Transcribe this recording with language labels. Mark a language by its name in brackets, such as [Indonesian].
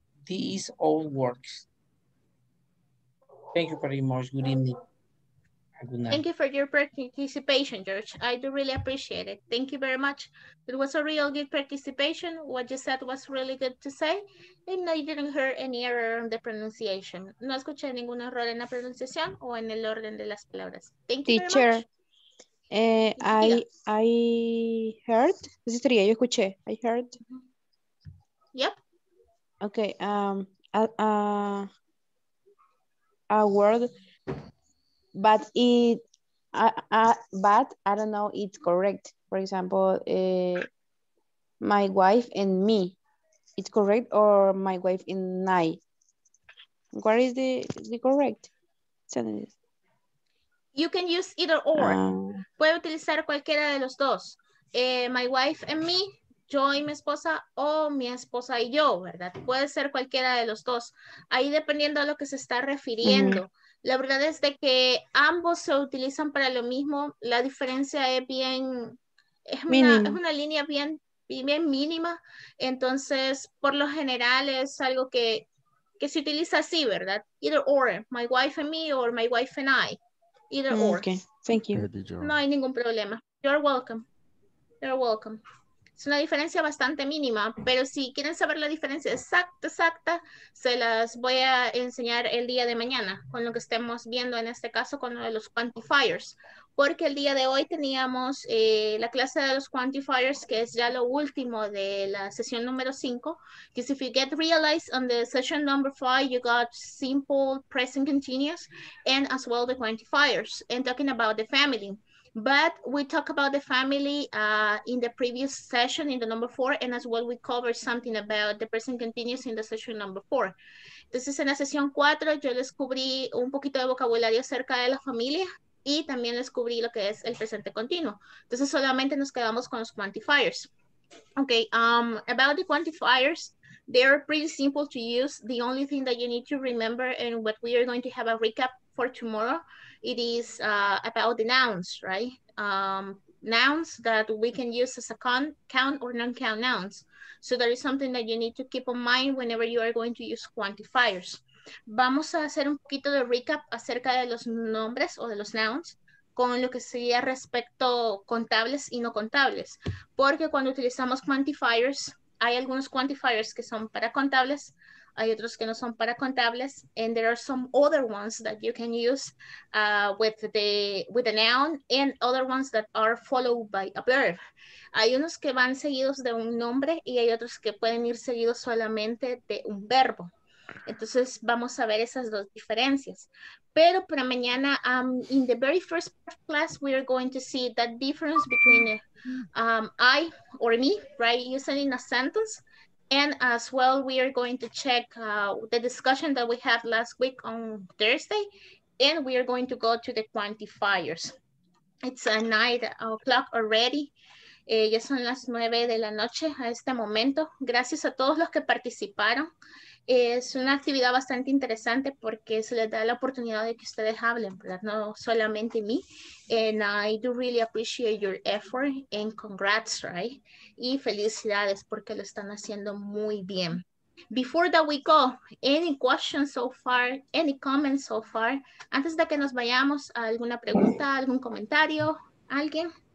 [English] This all works. Thank you very much. Good evening. Thank you for your participation, George. I do really appreciate it. Thank you very much. It was a real good participation. What you said was really good to say. And I didn't hear any error in the pronunciation. [Spanish] No escuché ningún error en la pronunciación o en el orden de las palabras. [English] Thank you, teacher, very much. I heard. This is Tria, [Spanish] yo escuché. [English] I heard. Yep. Okay. a word, but it but I don't know it's correct. For example, my wife and me, it's correct, or my wife and I. What is the correct sentence? You can use either or. [Spanish] Puede utilizar cualquiera de los dos. [English] My wife and me, [Spanish] yo y mi esposa, o mi esposa y yo, ¿verdad? Puede ser cualquiera de los dos. Ahí dependiendo a lo que se está refiriendo. Mm-hmm. La verdad es de que ambos se utilizan para lo mismo. La diferencia es bien, es una línea bien, bien mínima. Entonces, por lo general es algo que se utiliza así, ¿verdad? [English] Either or, my wife and me, or my wife and I. Either or. Okay, thank you. [Spanish] No hay ningún problema. [English] You're welcome. You're welcome. [Spanish] Es una diferencia bastante mínima, pero si quieren saber la diferencia exacta, exacta, se las voy a enseñar el día de mañana, con lo que estemos viendo en este caso con lo de los quantifiers, porque el día de hoy teníamos la clase de los quantifiers, que es ya lo último de la sesión número 5, que [English] if you get realized on the session number 5, you got simple, present, continuous, and as well the quantifiers, and talking about the family. But we talk about the family in the previous session, in the number 4, and as well we covered something about the present continuous in the session number 4. [Spanish] Entonces, en la sesión 4, yo les cubrí un poquito de vocabulario acerca de la familia y también les cubrí lo que es el presente continuo. Entonces, solamente nos quedamos con los quantifiers. [English] Okay, about the quantifiers, they are pretty simple to use. The only thing that you need to remember, and what we are going to have a recap for tomorrow, it is about the nouns, right? Nouns that we can use as a count or non-count nouns. So that is something that you need to keep in mind whenever you are going to use quantifiers. [Spanish] Vamos a hacer un poquito de recap acerca de los nombres o de los nouns con lo que sería respecto contables y no contables. Porque cuando utilizamos quantifiers, hay algunos quantifiers que son para contables, hay otros que no son para contables, [English] and there are some other ones that you can use with a noun, and other ones that are followed by a verb. [Spanish] Hay unos que van seguidos de un nombre y hay otros que pueden ir seguidos solamente de un verbo. Entonces vamos a ver esas dos diferencias. Pero para mañana, [English] in the very first class, we are going to see that difference between I or me, right, using in a sentence. And as well, we are going to check the discussion that we had last week on Thursday, and we are going to go to the quantifiers. It's a 9 o'clock already. [Spanish] Ya son las 9 de la noche a este momento. Gracias a todos los que participaron. Es una actividad bastante interesante porque se les da la oportunidad de que ustedes hablen, ¿verdad? No solamente mí. [English] And I do really appreciate your effort and congrats, right? [Spanish] Y felicidades porque lo están haciendo muy bien. [English] Before that we go, any questions so far, any comments so far? [Spanish] Antes de que nos vayamos, ¿alguna pregunta, algún comentario, alguien?